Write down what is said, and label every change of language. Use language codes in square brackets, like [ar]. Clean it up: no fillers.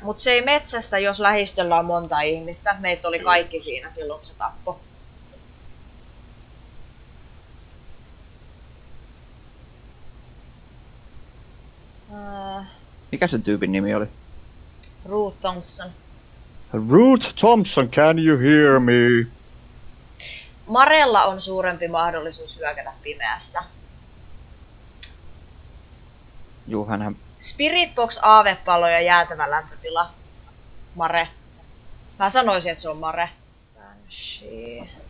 [fi] Mut se ei metsästä, jos lähistöllä on monta ihmistä. Meitä oli kaikki siinä silloin, kun se tappo. Mikä sen tyypin nimi oli? Ruth Thompson. [en] Ruth Thompson, can you hear me? [fi] Marella on suurempi mahdollisuus hyökätä pimeässä. Juhanhan. Spirit Box, aavepallo ja jäätävä lämpötila. Mare. Mä sanoisin, että se on Mare. Banshee.